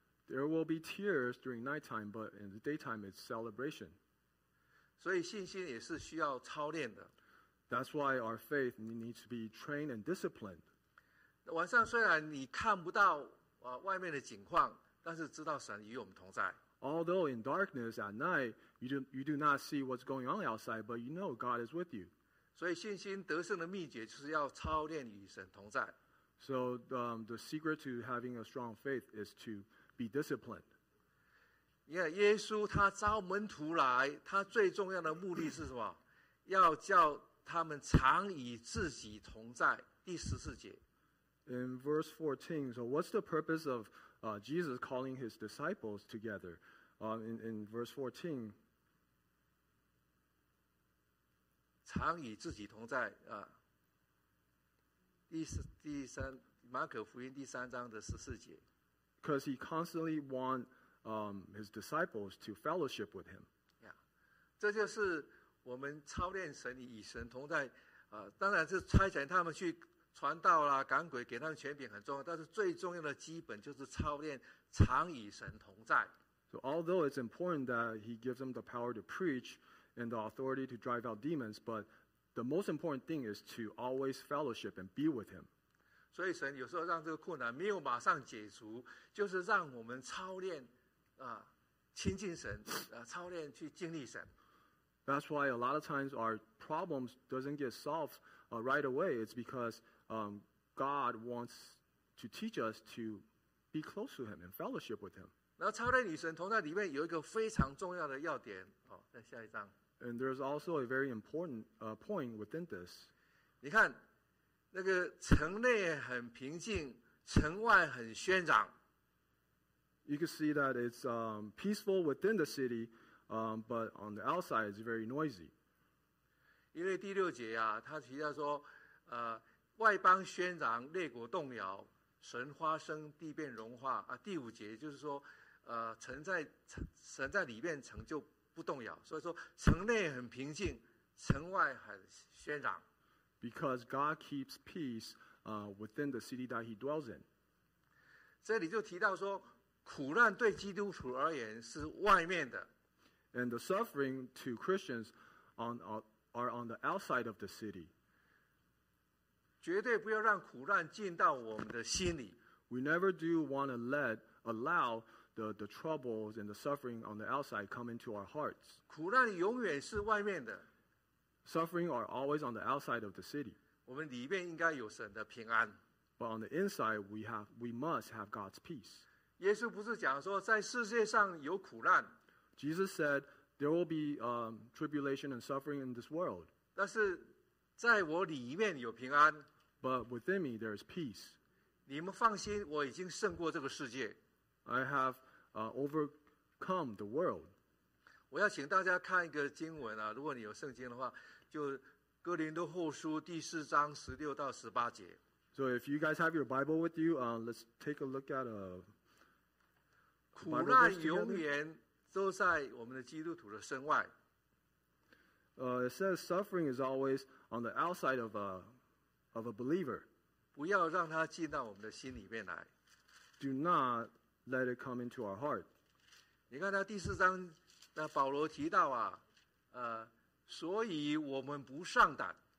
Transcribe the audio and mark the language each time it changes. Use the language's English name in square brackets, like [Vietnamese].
[English] There will be tears during nighttime, but in the daytime, it's celebration. [Chinese] 所以信心也是需要操练的。 [English] That's why our faith needs to be trained and disciplined. [Chinese] 晚上虽然你看不到外面的景况, 但是知道神与我们同在。 [English] Although in darkness at night, you do not see what's going on outside, but you know God is with you. [Chinese] 所以信心得胜的秘诀就是要操练与神同在。 [English] So the secret to having a strong faith is to be disciplined. [Chinese] Yeah, 耶稣他招门徒来, 他最重要的目的是什么? 要叫他们常与自己同在。第十四节。 [English] In verse 14, so what's the purpose of Jesus calling his disciples together? In verse 14, [Chinese] 常与自己同在啊。第三马可福音第三章的十四节。 [English] Because he constantly want his disciples to fellowship with him. [Chinese] Yeah, 这就是我们操练神与神同在。当然是差遣他们去传道啦、赶鬼，给他们权柄很重要。但是最重要的基本就是操练常与神同在。 [English] So although it's important that he gives them the power to preach and the authority to drive out demons, but the most important thing is to always fellowship and be with him. [Chinese] 所以神有时候让这个困难没有马上解除，就是让我们操练亲近神，操练去经历神。 [English] That's why a lot of times our problems doesn't get solved right away. It's because God wants to teach us to be close to Him and fellowship with Him. [Chinese] 那操练与神同在里面有一个非常重要的要点哦，在下一章。 [English] And there's also a very important point within this. [Chinese] 你看，那个城内很平静，城外很喧嚷。 [English] You can see that it's peaceful within the city. But on the outside, it's very noisy. [Chinese] 因为第六节啊，他提到说，外邦喧嚷，列国动摇，神发声，地变融化啊。第五节就是说，神在里面，城就不动摇。所以说，城内很平静，城外很喧嚷。 [English] Because God keeps peace, within the city that He dwells in. [Chinese] 这里就提到说，苦难对基督徒而言是外面的。 [English] And the suffering to Christians are on the outside of the city. [Chinese] 绝对不要让苦难进到我们的心里。 [English] We never do want to allow the troubles and the suffering on the outside come into our hearts. [Chinese] 苦难永远是外面的。 [English] Suffering are always on the outside of the city. [Chinese] 我们里面应该有神的平安。 [English] But on the inside, we must have God's peace. [Chinese] 耶稣不是讲说在世界上有苦难。 [English] Jesus said, there will be tribulation and suffering in this world. [Chinese] 但是在我里面有平安。 [English] But within me, there is peace. [Chinese] 你们放心，我已经胜过这个世界。 [English] I have overcome the world. [Chinese] 我要请大家看一个经文啊，如果你有圣经的话，就哥林多后书第四章十六到十八节。 [English] So if you guys have your Bible with you, let's take a look at a Bible verse together. [Chinese] 苦难永远都在我们的基督徒的身外。 [English] It says suffering is always on the outside of a believer. [Chinese] 不要让它进到我们的心里面来。 [English] Do not let it come into our heart. [Chinese] 你看他第四章，那保罗提到啊，所以我们不上胆。